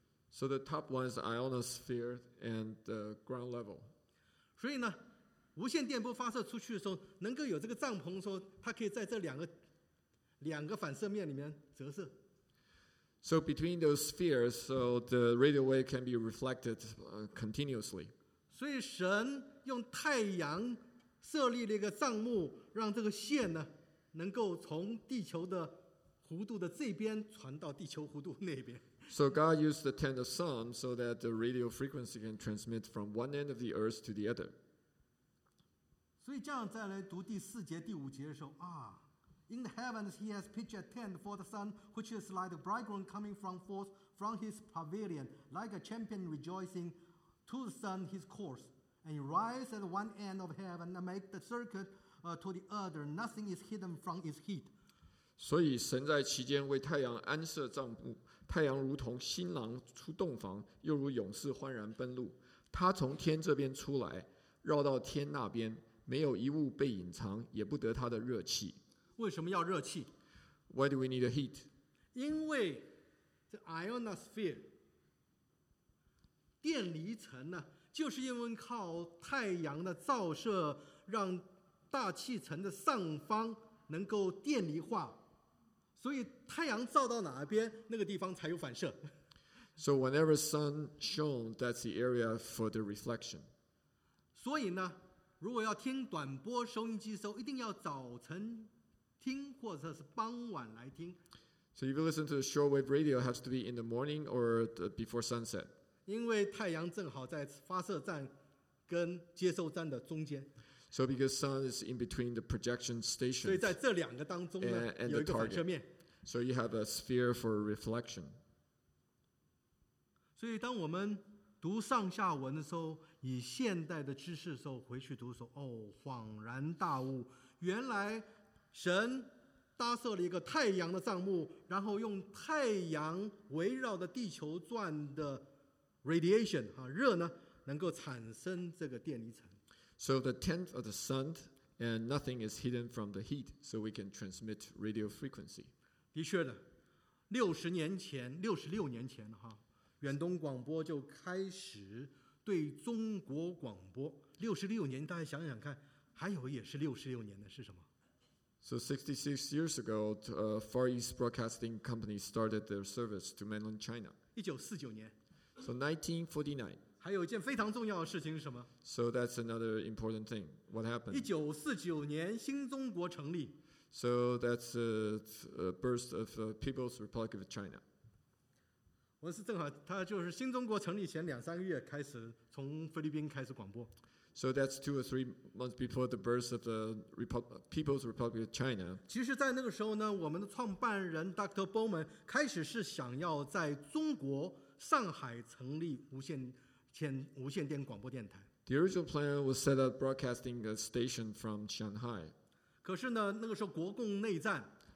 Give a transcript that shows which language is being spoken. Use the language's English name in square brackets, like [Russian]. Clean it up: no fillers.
[English] So the top one is ionosphere and the ground level. [Chinese] 所以呢，无线电波发射出去的时候，能够有这个帐篷的时候，它可以在这两个反射面里面折射。 [English] So between those spheres, so the radio wave can be reflected continuously. [Chinese] 所以神用太阳设立了一个帐幕，让这个线呢能够从地球的弧度的这边传到地球弧度那边。 [English] So God used the tent of sun so that the radio frequency can transmit from one end of the earth to the other. [Chinese] 所以这样再来读第四节第五节的时候啊 [English] ，In the heavens he has pitched a tent for the sun, which is like the bridegroom coming from forth from his pavilion, like a champion rejoicing to the sun his course, and he rises at one end of heaven and make the circuit to the other. Nothing is hidden from his heat. [Chinese] 所以神在其间为太阳安设帐幕，太阳如同新郎出洞房，又如勇士欢然奔路。他从天这边出来，绕到天那边，没有一物被隐藏，也不得他的热气。为什么要热气 [English] ？Why do we need a heat？ [Chinese] 因为这 ionosphere 电离层呢，就是因为靠太阳的照射，让大气层的上方能够电离化。所以太阳照到哪边，那个地方才有反射。 [English] So whenever sun shone, that's the area for the reflection. [Chinese] 所以呢，如果要听短波收音机的时候，一定要早晨听或者是傍晚来听。 [English] So if you listen to the shortwave radio, it has to be in the morning or before sunset. [Chinese] 因为太阳正好在发射站跟接收站的中间。 [English] So because sun is in between the projection station and the target. So you have a sphere for reflection. [Chinese] 所以当我们读上下文的时候，以现代的知识的时候回去读的时候，哦，恍然大悟，原来神搭设了一个太阳的帐幕，然后用太阳围绕的地球转的 radiation, 热呢，能够产生这个电离层。 [English] So the tent of the sun and nothing is hidden from the heat, so we can transmit radio frequency. [Chinese] 的确的，66年前哈，远东广播就开始对中国广播。 66年，大家想想看，还有也是66年的是什么 [English] ？So 66 years ago, Far East Broadcasting Company started their service to mainland China. [Chinese] 1949年。 [English] So 1949. [Chinese] 还有一件非常重要的事情是什么 [English] ？So that's another important thing. What happened? [Chinese] 1949年，新中国成立。 [English] So that's a birth of People's Republic of China. [Chinese] 我是正好，他就是新中国成立前两三个月开始从菲律宾开始广播。 [English] So that's 2 or 3 months before the birth of the People's Republic of China. [Chinese] 其实，在那个时候呢，我们的创办人 Dr. Bowman 开始是想要在中国上海成立无线电广播电台。 [English] The original plan was set up broadcasting a station from Shanghai. [Chinese] 可是呢，那个时候国共内战。